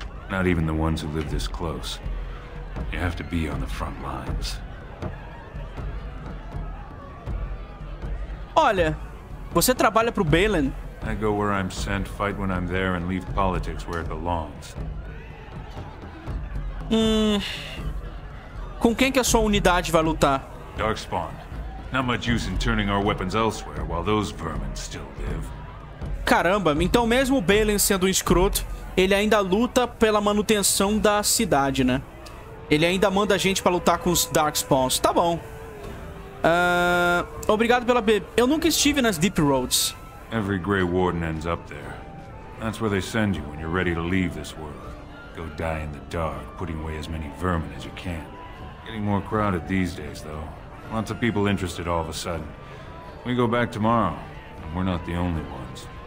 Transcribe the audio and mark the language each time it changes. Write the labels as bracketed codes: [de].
[en] Not even the ones who live this close. You have to be on the front lines. [pt] Olha, você trabalha pro Balin? [en] I go where I'm sent, fight when I'm there, and leave politics where it belongs. [pt] Com quem que a sua unidade vai lutar? [en] Darkspawn. Not much use in turning our weapons elsewhere while those vermin still live. [pt] Caramba, então mesmo o Balin sendo um escroto, ele ainda luta pela manutenção da cidade, né? Ele ainda manda a gente pra lutar com os Darkspawns. Tá bom. Obrigado pela Eu nunca estive nas Deep Roads. [en] Every Grey Warden ends up there. That's where they send you when you're ready to leave this world. Go die in the dark, putting away as many vermin as you can. Getting more crowded these days, though. Lots of people interested all of a sudden. We go back tomorrow, and we're not the only ones.